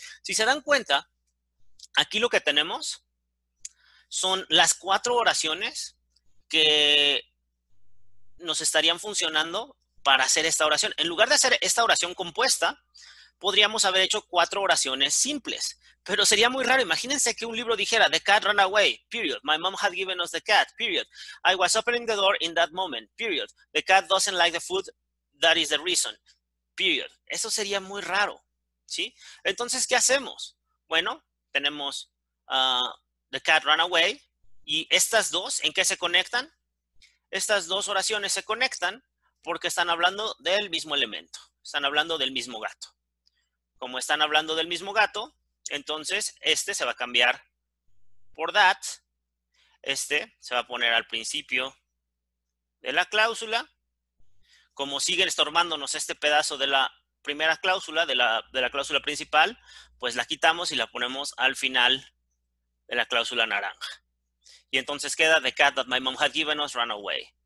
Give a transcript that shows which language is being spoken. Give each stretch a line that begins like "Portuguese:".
Spanish: Si se dan cuenta, aquí lo que tenemos son las cuatro oraciones que nos estarían funcionando para hacer esta oración. En lugar de hacer esta oración compuesta, podríamos haber hecho cuatro oraciones simples. Pero sería muy raro. Imagínense que un libro dijera,
English: the cat ran away, period. My mom had given us the cat, period. I was opening the door in that moment, period. The cat doesn't like the food, that is the reason, period.
Spanish: Eso sería muy raro, ¿sí? Entonces, ¿qué hacemos? Bueno, tenemos
English: the cat ran away.
Spanish: ¿Y estas dos en qué se conectan? Estas dos oraciones se conectan porque están hablando del mismo elemento. Están hablando del mismo gato. Como están hablando del mismo gato, entonces este se va a cambiar por that. Este se va a poner al principio de la cláusula. Como sigue estorbándonos este pedazo de la primera cláusula, de la cláusula principal, pues la quitamos y la ponemos al final de la cláusula naranja. Y entonces queda
English: the cat that my mom had given us ran away.